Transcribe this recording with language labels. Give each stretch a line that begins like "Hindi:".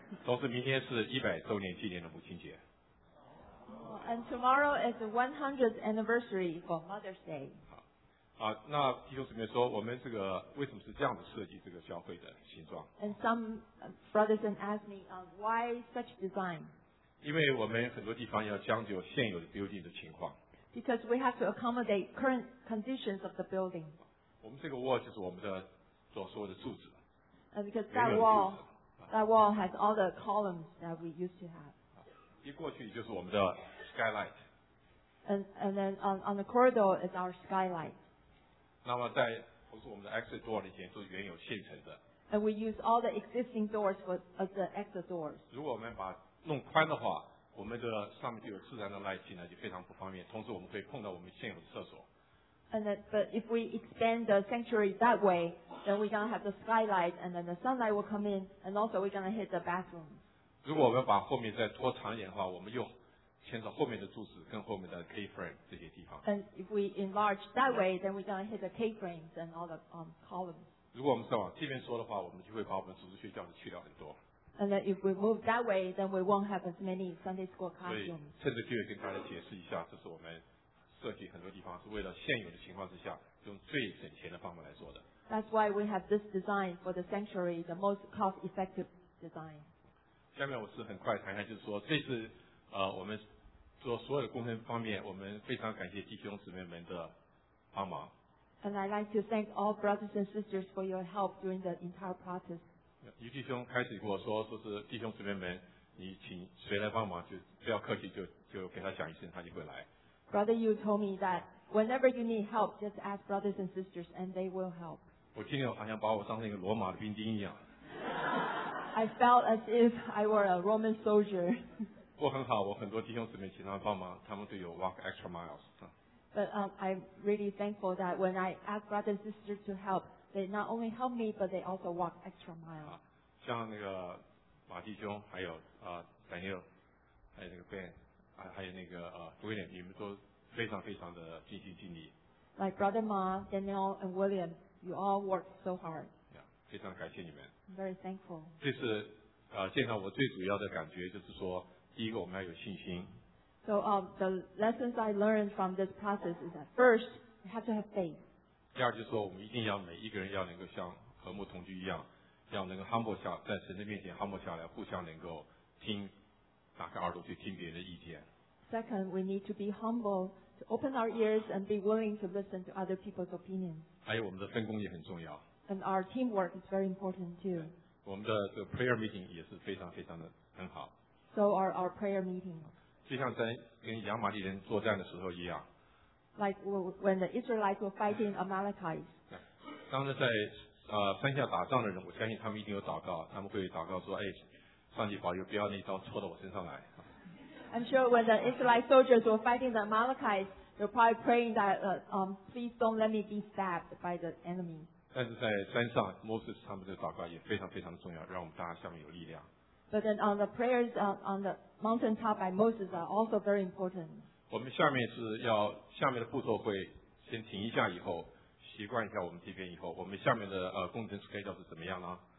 Chinese: 同时明天是100周年纪念的母亲节。
English: And tomorrow is the 100th anniversary for Mother's Day.
Chinese: 好，那弟兄姊妹说，我们这个为什么是这样的设计这个教会的形状
English: ？And some brothers and ask me, why such design?
Chinese: 因为我们很多地方要将就现有的 building 的情况。
English: Because we have to accommodate current conditions of the building.
Chinese: 我们这个 wall 就是我们的所说的柱子。
English: And because that wall has all the columns that we used to have.
Chinese: 一过去就是我们的 skylight.
English: And then on the corridor is our skylight.
Chinese: 那么在不是我们的 exit door 里面都原有现成的。
English: And we use all the existing doors for the exit doors.
Chinese: 如果我们把弄宽的话，我们的上面就有自然的 light 进来，就非常不方便。同时我们会碰到我们现有的厕所。
English: But if we expand the sanctuary that way, then we're gonna have the skylight, and then the sunlight will come in, and also we're gonna hit the bathroom.
Chinese: 如果我们把后面再拖长一点的话，我们又牵扯后面的柱子跟后面的 keyframe 这些地方。
English: And if we enlarge that way, then we're gonna hit the keyframes and all the columns.
Chinese: 如果我们再往这边说的话，我们就会把我们组织学校的去掉很多。
English: And then if we move that way, then we won't have as many Sunday school classrooms.
Chinese: 所以趁着机会跟大家解释一下，这是我们设计很多地方是为了现有的情况之下，用最省钱的方法来做的。
English: That's why we have this design for the sanctuary, the most cost-effective design.
Chinese: 下面我是很快谈一下，就是说这次我们做所有的工程方面，我们非常感谢弟兄姊妹们的帮忙。
English: And I'd like to thank all brothers and sisters for your help during the entire process.
Chinese: 于弟兄开始跟我说，说是弟兄姊妹们，你请谁来帮忙，就不要客气，就给他讲一声，他就会来。
English: Brother Yu told me that whenever you need help, just ask brothers and sisters, and they will help.
Chinese: 我今天好像把我当成一个罗马的兵丁一样。
English: I felt as if I were a Roman soldier.
Chinese: 不过很好，我很多弟兄姊妹请他们帮忙，他们都有
English: walk extra miles. But I'm really thankful that when I ask brothers and sisters to help, they not only help me, but they also walk extra miles.
Chinese: 像那个马弟兄，还有Daniel， 还有那个 Ben， 还有那个William， 你们都非常非常的尽心尽力。
English: Like brother Ma, Daniel and William, you all work so hard.
Chinese: Yeah, 非常感谢你们。
English: I'm very thankful.
Chinese: 这次见到我最主要的感觉就是说。第一个，我们要有信心。
English: So the lessons I learned from this process is that first you have to have faith.
Chinese: 第二就是说，我们一定要每一个人要能够像和睦同居一样，要能够 humble 下在神的面前 humble 下来，互相能够听，打开耳朵去听别人的意见。
English: Second, we need to be humble to open our ears and be willing to listen to other people's opinions.
Chinese: 还有我们的分工也很重要。
English: And our teamwork is very important too.
Chinese: 我们的这个 prayer meeting 也是非常非常的很好。
English: So are our prayer meeting.
Chinese: 就像在跟亚玛力人作战的时候一样。
English: Like when the Israelites were fighting Amalekites.
Chinese: 当时在山下打仗的人，我相信他们一定有祷告，他们会祷告说：“哎，上帝保佑，不要那刀戳到我身上来。”
English: I'm sure when the Israelite soldiers were fighting the Amalekites, they're probably praying that, please don't let me be stabbed by the enemy.
Chinese: 但是在山上，摩西他们的祷告也非常非常的重要，让我们大家下面有力量。
English: But then on the prayers on the mountaintop by Moses are also very important.
Chinese: 我们下面是要下面的步骤会先停一下，以后习惯一下我们这边，以后我们下面的工程 schedule 是怎么样呢？